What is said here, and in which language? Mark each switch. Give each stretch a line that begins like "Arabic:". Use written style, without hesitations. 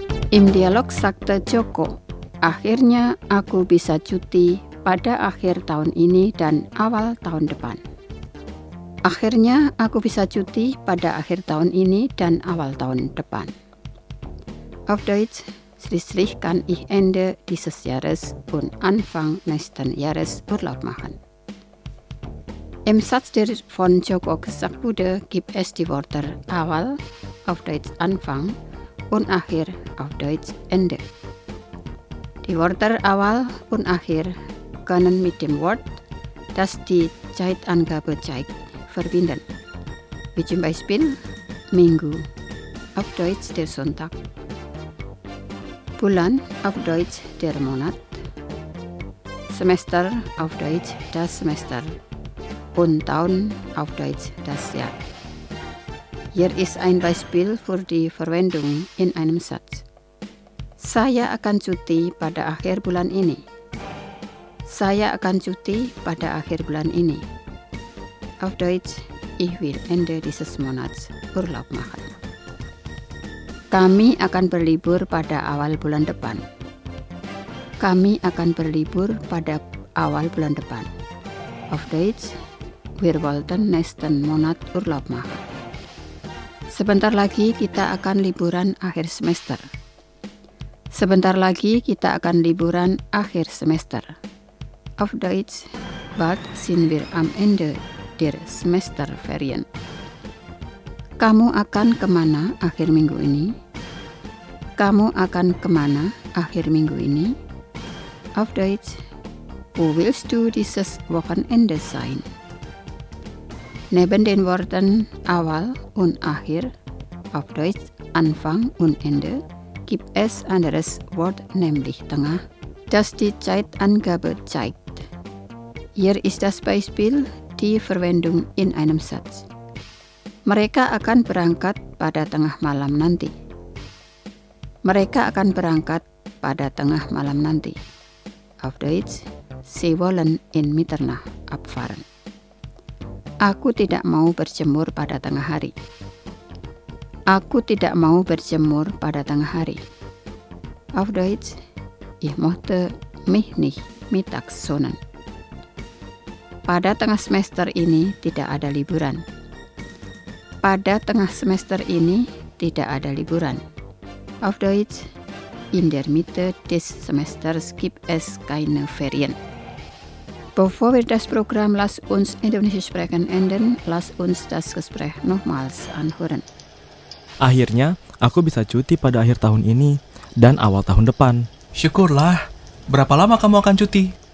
German: Im Dialog sagte Joko,
Indonesian: akhirnya aku bisa cuti pada akhir tahun ini dan awal tahun depan. Akhirnya aku bisa cuti pada akhir tahun ini dan awal tahun depan.
German: Auf Deutsch, schließlich kann ich Ende dieses Jahres und Anfang nächsten Jahres Urlaub machen. Im Satz, der von Joko gesagt wurde, gibt es die Wörter awal, auf Deutsch Anfang, und akhir, auf Deutsch Ende. Die Wörter awal und akhir können mit dem Wort, das die Zeitangabe zeigt, verbinden. Wie zum Beispiel Minggu, auf Deutsch der Sonntag. Bulan, auf Deutsch der Monat. Semester, auf Deutsch das Semester. Und Tahun, auf Deutsch das Jahr. Hier ist ein Beispiel für die Verwendung in einem Satz.
Indonesian: Saya akan cuti pada akhir bulan ini. Saya akan cuti pada akhir bulan ini.
German: Auf Deutsch, ich will Ende dieses Monats Urlaub machen.
Indonesian: Kami akan berlibur pada awal bulan depan. Kami akan berlibur pada awal bulan depan.
German: Auf Deutsch, wir wollen nächsten Monat Urlaub machen.
Indonesian: Sebentar lagi kita akan liburan akhir semester. Sebentar lagi kita akan liburan akhir semester.
German: Auf Deutsch, bald sind wir am Ende der Semesterferien.
Indonesian: Kamu akan kemana akhir minggu ini? Kamu akan kemana akhir minggu ini?
German: Auf Deutsch, wo willst du dieses Wochenende sein? Neben den Worten awal und akhir, auf Deutsch Anfang und Ende, gibt es anderes Wort, nämlich tengah, das die Zeitangabe zeigt. Hier ist das Beispiel, die Verwendung in einem Satz.
Indonesian: Mereka akan berangkat pada tengah malam nanti. Mereka akan berangkat pada tengah malam nanti.
German: Auf Deutsch, sie wollen in Mitternacht abfahren.
Indonesian: Aku tidak mau berjemur pada tengah hari. Aku tidak mau berjemur pada tengah hari.
German: Auf Deutsch, ich möchte mich nicht mittags sonnen.
Indonesian: Pada tengah semester ini tidak ada liburan. Pada tengah semester ini tidak ada liburan.
German: Auf Deutsch, in der Mitte des Semesters gibt es keine Ferien. Bevor wir das Programm Lass uns Indonesisch sprechen enden, lass uns das Gespräch nochmals anhören.
Indonesian: Akhirnya, aku bisa cuti pada akhir tahun ini dan awal tahun depan. Syukurlah. Berapa lama kamu akan cuti?